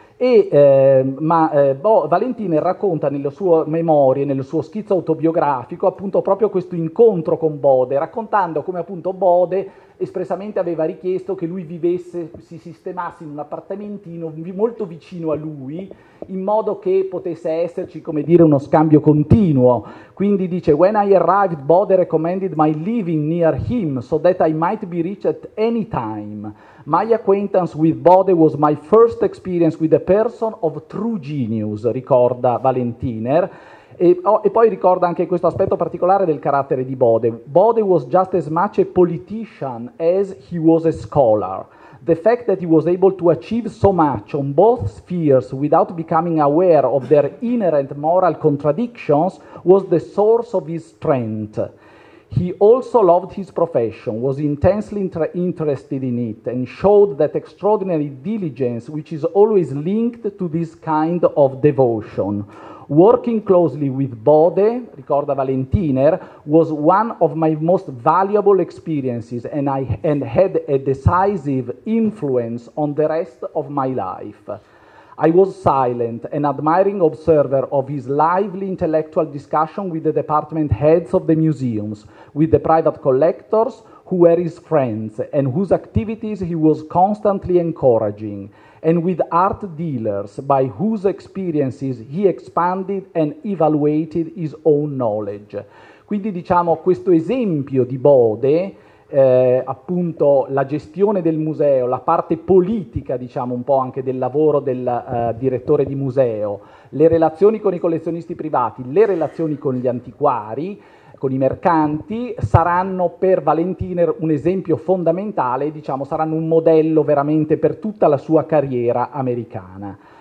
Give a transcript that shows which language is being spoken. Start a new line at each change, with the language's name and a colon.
Italian: Valentina racconta nelle sue memorie, nel suo schizzo autobiografico, appunto proprio questo incontro con Bode, raccontando come appunto Bode espressamente aveva richiesto che lui vivesse, si sistemasse in un appartamentino molto vicino a lui, in modo che potesse esserci, come dire, uno scambio continuo. Quindi dice:
English: "When I arrived, Bode recommended my living near him so that I might be rich at any time. My acquaintance with Bode was my first experience with a person of true genius,"
Italian: ricorda Valentiner. E poi ricorda anche questo aspetto particolare del carattere di Bode.
English: "Bode was just as much a politician as he was a scholar. The fact that he was able to achieve so much on both spheres without becoming aware of their inherent moral contradictions was the source of his strength. He also loved his profession, was intensely interested in it, and showed that extraordinary diligence which is always linked to this kind of devotion. Working closely with Bode,"
Italian: ricorda Valentiner,
English: "was one of my most valuable experiences and had a decisive influence on the rest of my life. I was silent, an admiring observer of his lively intellectual discussion with the department heads of the museums, with the private collectors who were his friends and whose activities he was constantly encouraging, and with art dealers by whose experiences he expanded and evaluated his own knowledge."
Italian: Quindi diciamo questo esempio di Bode appunto la gestione del museo, la parte politica, diciamo un po' anche del lavoro del direttore di museo, le relazioni con i collezionisti privati, le relazioni con gli antiquari, con i mercanti, saranno per Valentiner un esempio fondamentale, diciamo saranno un modello veramente per tutta la sua carriera americana.